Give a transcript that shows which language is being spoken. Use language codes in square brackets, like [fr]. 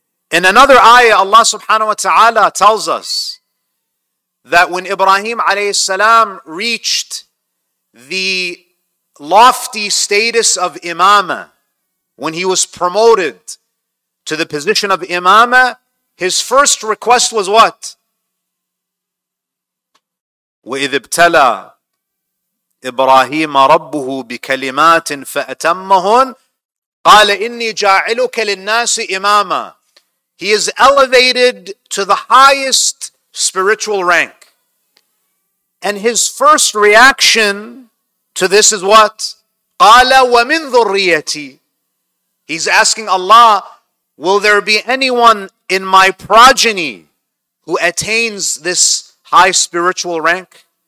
[en] In another ayah, Allah subhanahu wa ta'ala tells us that when Ibrahim alayhi salam reached the lofty status of imama, when he was promoted to the position of imama, his first request was what? [ar] وَإِذِ ابْتَلَى إِبْرَاهِيمَ رَبُّهُ بِكَلِمَاتٍ فَأَتَمَّهُنْ قَالَ إِنِّي جَاعِلُكَ لِلنَّاسِ إِمَامًا [en] He is elevated to the highest spiritual rank. And his first reaction to this is what? [ar] قَالَ وَمِنْ ذُرِّيَّتِي [en] He's asking Allah, will there be anyone in my progeny who attains this high spiritual rank?